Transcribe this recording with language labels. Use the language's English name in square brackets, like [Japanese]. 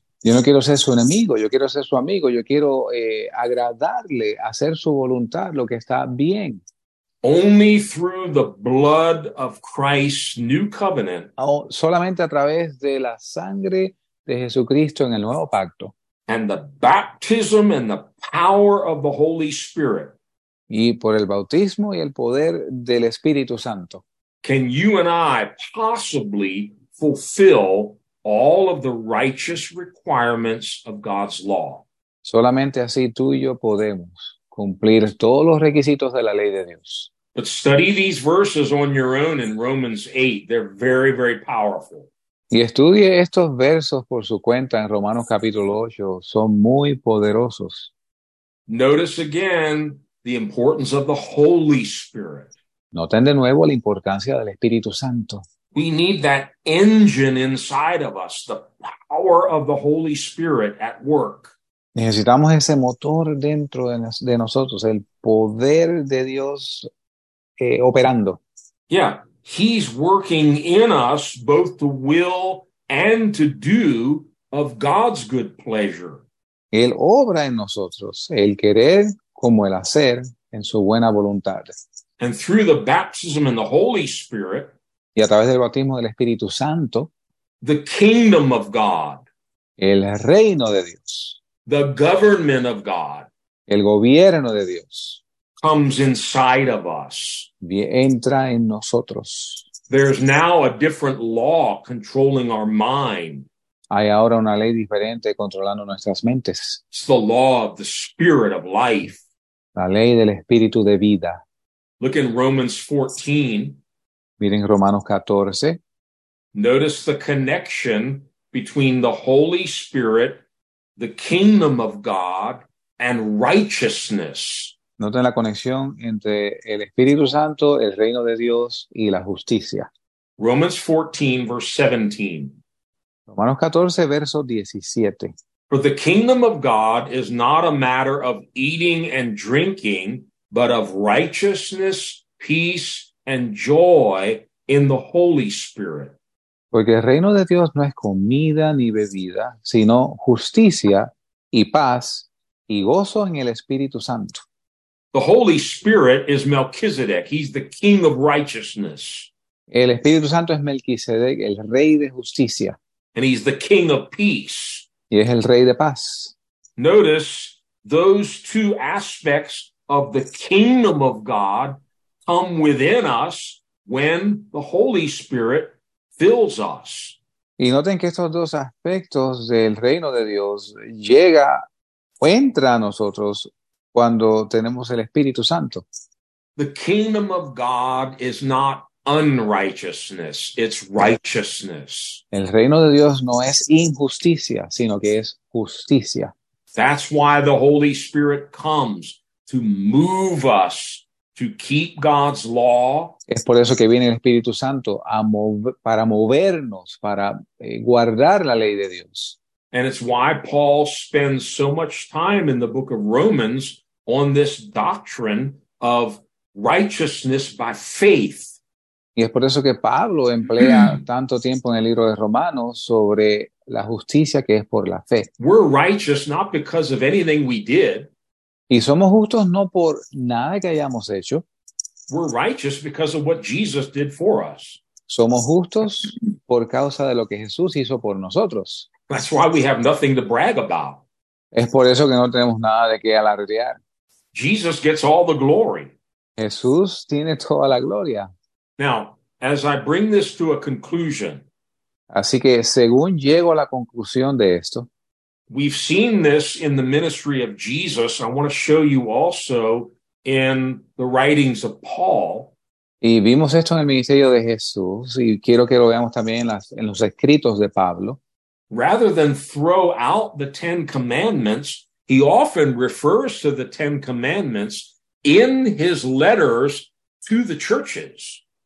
[Spanish] Yo no quiero ser su enemigo. Yo quiero ser su amigo. Yo quiero agradarle, hacer su voluntad, lo que está bien. [English] Only through the blood of Christ's new covenant. [Spanish] Oh, solamente a través de la sangre de Jesucristo en el nuevo pacto. [English] And the baptism and the power of the Holy Spirit. [Spanish] Y por el bautismo y el poder del Espíritu Santo. [English] Can you and I possibly fulfill all of the righteous requirements of God's law? [Spanish] Solamente así tú y yo podemos cumplir todos los requisitos de la ley de Dios. [English] But study these verses on your own in Romans 8. They're very, very powerful. [Spanish] Y estudie estos versos por su cuenta en Romanos capítulo 8. Son muy poderosos. [English] Notice again the importance of the Holy Spirit. [Spanish] Noten de nuevo la importancia del Espíritu Santo. [English] We need that engine inside of us, the power of the Holy Spirit at work. [Spanish] Necesitamos ese motor dentro de nosotros, el poder de Dios operando. [English] Yeah, he's working in us both to will and to do of God's good pleasure. [Spanish] Él obra en nosotros, el querer como el hacer en su buena voluntad. [English] And through the baptism in the Holy Spirit, [Spanish] Y a través del bautismo del Espíritu Santo, [English] the kingdom of God, [Spanish] el reino de Dios, [English] the government of God, [Spanish] el gobierno de Dios, [English] comes inside of us. [Spanish] entra en nosotros. [English] There's now a different law controlling our mind. [Spanish] Hay ahora una ley diferente controlando nuestras mentes. [English] It's the law of the spirit of life. [Spanish] La ley del espíritu de vida. [English] Look in Romans 14. [Spanish] Miren Romanos 14. [English] Notice the connection between the Holy Spirit, the kingdom of God, and righteousness. [Spanish] Noten la conexión entre el Espíritu Santo, el reino de Dios y la justicia. [English] Romans 14, verse 17. [Spanish] Romanos 14, verso 17. [English] For the kingdom of God is not a matter of eating and drinking, but of righteousness, peace, and joy in the Holy Spirit. [Spanish] Porque el reino de Dios no es comida ni bebida, sino justicia y paz y gozo en el Espíritu Santo. [English] The Holy Spirit is Melchizedek. He's the King of Righteousness. [Spanish] El Espíritu Santo es Melquisedec, el rey de justicia. [English] And he's the King of Peace. [Spanish] Y es el rey de paz. [English] Notice those two aspects of the kingdom of God come within us when the Holy Spirit fills us. [Spanish] Y noten que estos dos aspectos del reino de Dios llega o entra a nosotros cuando tenemos el Espíritu Santo. [English] The kingdom of God is not unrighteousness, it's righteousness. [Spanish] El reino de Dios no es injusticia, sino que es justicia. [English] That's why the Holy Spirit comes to move us to keep God's law. [Spanish] Es por eso que viene el Espíritu Santo a mover, para movernos, para guardar la ley de Dios. [English] And it's why Paul spends so much time in the book of Romans on this doctrine of righteousness by faith. [Spanish] Y es por eso que Pablo emplea tanto tiempo en el libro de Romanos sobre la justicia que es por la fe. [English] We're righteous not because of anything we did. [Spanish] Y somos justos no por nada que hayamos hecho. [English] We're righteous because of what Jesus did for us. [Spanish] Somos justos por causa de lo que Jesús hizo por nosotros. [English] That's why we have nothing to brag about. [Spanish] Es por eso que no tenemos nada de qué alardear. [English] Jesus gets all the glory. [Spanish] Jesús tiene toda la gloria. [English] Now, as I bring this to a conclusion, [Spanish] Así que según llego a la conclusión de esto, [English] we've seen this in the ministry of Jesus. I want to show you also in the writings of Paul. [Spanish] y vimos esto en el ministerio de Jesús, y quiero que lo veamos también en los escritos de Pablo. [English] Rather than throw out the Ten Commandments, he often refers to the Ten Commandments in his letters to the churches.